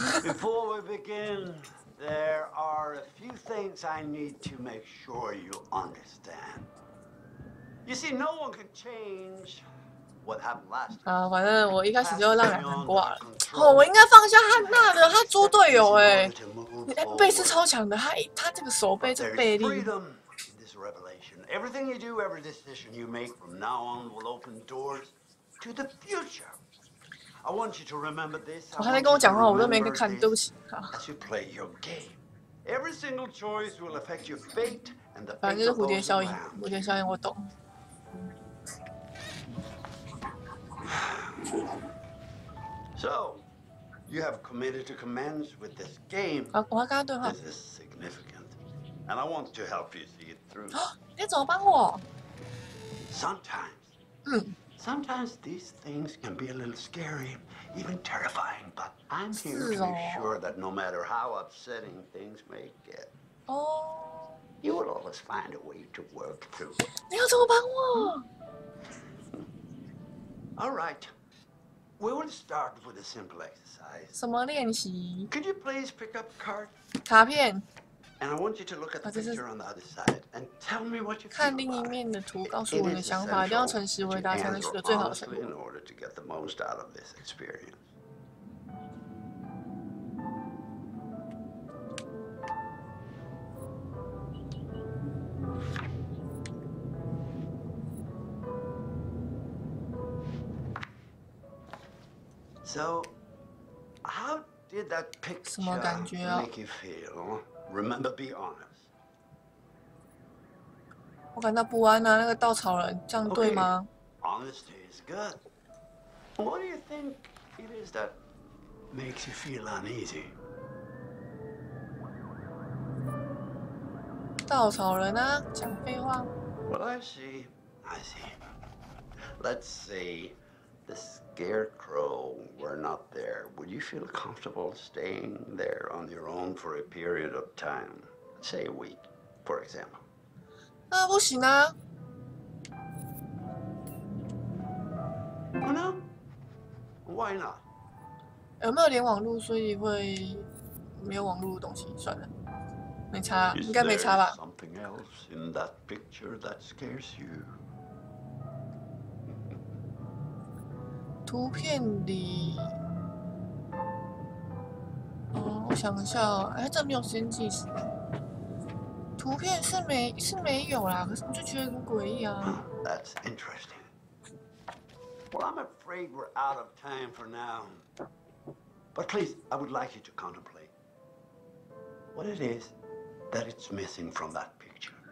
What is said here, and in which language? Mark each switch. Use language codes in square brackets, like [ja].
[en] Before we begin, there are a few things I need to make sure you understand. You see, no one can change what happened last time. [zh] 啊，反正我一开始就让两人挂了。哦，我应该放下汉娜的，他猪队友哎，背是超强的，他这个手背这背力。 [en] This revelation, everything you do, every decision you make from now on will open doors to the future. I want you to remember this. [zh] 他在跟我讲话，我都没看，对不起。 [en] As you play your game, every single choice will affect your fate and the fate. [zh] 反正就是蝴蝶效应，蝴蝶效应我懂。 [en] So, you have committed to commence with this game. [zh] 啊，我要跟他对话。 [en] This is significant, and I want to help you see it through. [zh] 你怎么帮我 [en] ？Sometimes. Sometimes these things can be a little scary, even terrifying. But I'm here to ensure that no matter how upsetting things may get, you will always find a way to work through. [zh] 你要怎么帮我 [en] ？All right, we will start with a simple exercise. [zh] 什么练习 [en] ？Could you please pick up a card? [zh] 卡片。 [en] And I want you to look at the picture on the other side and tell me what you feel about it. [zh] 看另一面的图，告诉我的想法，一定要诚实回答才能取得最好的成果。 [en] In order to get the most out of this experience. So, how did that picture make you feel? Remember, be honest. [zh] 我感到不安啊，那个稻草人，这样对吗 [en] okay, ？Honesty is good. What do you think it is that makes you feel uneasy? [zh] 稻草人啊，讲废话。 [en] Well, I see. Let's see. The scarecrow were not there. Would you feel comfortable staying there on your own for a period of time, say a week, for example? [zh] 那不行啊。 [en] Oh no. Why not? [zh] 有没有连网络，所以会没有网络的东西？算了，没差，应该没差吧。 [en] Is there something else in that picture that scares you? [zh] 图片里，我想一下，还真没有时间计时。图片是没有啦，可是我就觉得很诡异啊。 [en] That's interesting. Well, I'm afraid we're out of time for now. But please, I would like you to contemplate what it is that it's missing from that picture.